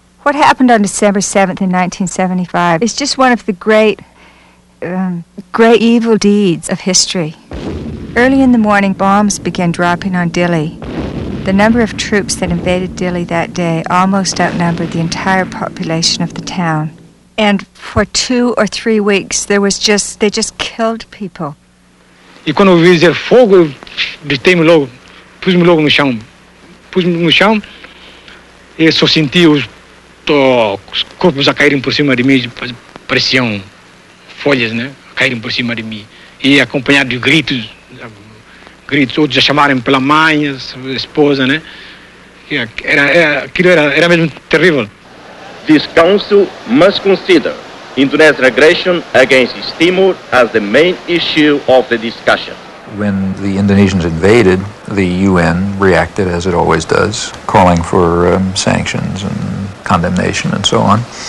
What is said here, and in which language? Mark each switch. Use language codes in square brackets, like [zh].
[en] What happened on December 7th in 1975 is just one of the great, great evil deeds of history. Early in the morning, bombs began dropping on Dili. The number of troops that invaded Dili that day almost outnumbered the entire population of the town. And for 2 or 3 weeks, there was just, they just killed people. [pt] E quando eu vi dizer fogo, eu gritei-me logo, pus-me logo no chão. Pus-me no chão, e só senti os corpos a caírem por cima de mim, pareciam folhas, né, a caírem por cima de mim. E acompanhado de gritos, outros a chamarem pela mãe, a esposa, né. Aquilo era mesmo terrível. [en] This council must consider Indonesia's aggression against East Timor as the main issue of the discussion. When the Indonesians invaded, the UN reacted as it always does, calling for sanctions and condemnation and so on.